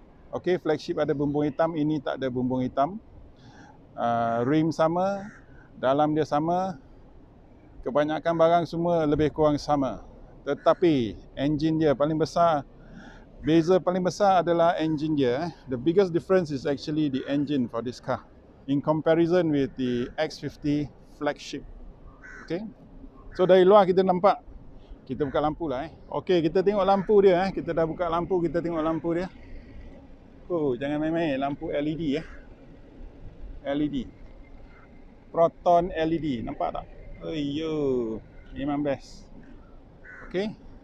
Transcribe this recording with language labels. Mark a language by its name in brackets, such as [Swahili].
[Malay] Okay, flagship ada bumbung hitam, ini tak ada bumbung hitam. Rim sama, dalam dia sama. Kebanyakan barang semua lebih kurang sama. Tetapi engine dia paling besar, beza paling besar adalah engine dia. [English] The biggest difference is actually the engine for this car in comparison with the X50 flagship. [Malay] Okay, so dari luar kita nampak. Kita buka lampu lah Okey, kita tengok lampu dia Kita dah buka lampu, kita tengok lampu dia. Oh, jangan main-main. Lampu LED LED. Proton LED. Nampak tak? Ayuh. Memang best. Okey.